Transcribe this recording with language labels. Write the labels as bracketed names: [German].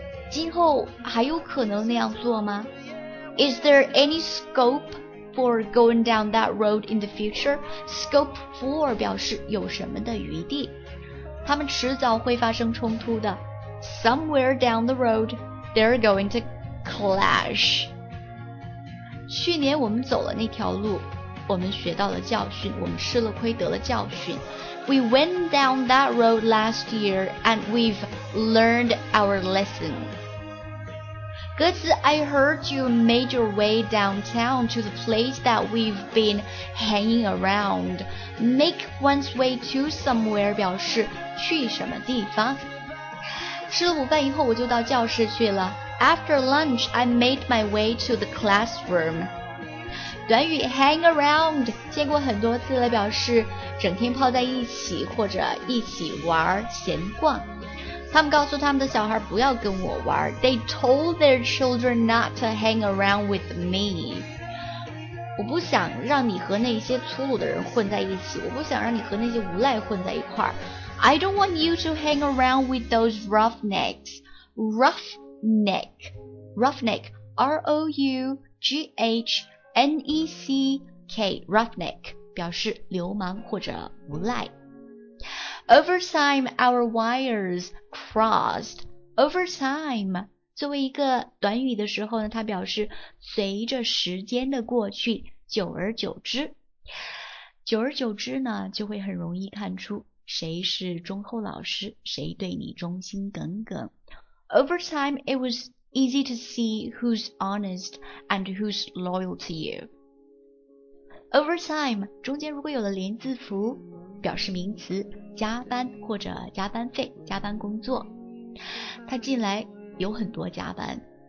[Chinese] 今后还有可能那样做吗？ [English] Is there any scope? For going down that road in the future, scope for [Chinese] 表示有什么的余地。他们迟早会发生冲突的。 [English] Somewhere down the road, they're going to clash. [Chinese] 去年我们走了那条路，我们学到了教训，我们吃了亏得了教训。 [English] We went down that road last year and we've learned our lesson. 歌词 I heard you made your way downtown to the place that we've been hanging around. Make one's way to somewhere [Chinese] 表示去什么地方。吃了午饭以后我就到教室去了。 [English] After lunch, I made my way to the classroom. [Chinese] 短语 hang around 见过很多次了，表示整天泡在一起或者一起玩闲逛。他们告诉他们的小孩不要跟我玩。 [English] They told their children not to hang around with me. [Chinese] 我不想让你和那些粗鲁的人混在一起。我不想让你和那些无赖混在一块。 [English] I don't want you to hang around with those roughnecks. Roughneck. Roughneck. R-O-U-G-H-N-E-C-K. Roughneck. [Chinese] 表示流氓或者无赖。 [English] Over time, our wires crossed. [Chinese] Over time, 作为一个短语的时候呢，它表示随着时间的过去，久而久之。久而久之呢，就会很容易看出谁是忠厚老实，谁对你忠心耿耿。 [English] Over time, it was easy to see who's honest and who's loyal to you. [Chinese] Over time, 中间如果有了连字符表示名词，加班或者加班费，加班工作。他近来有很多加班。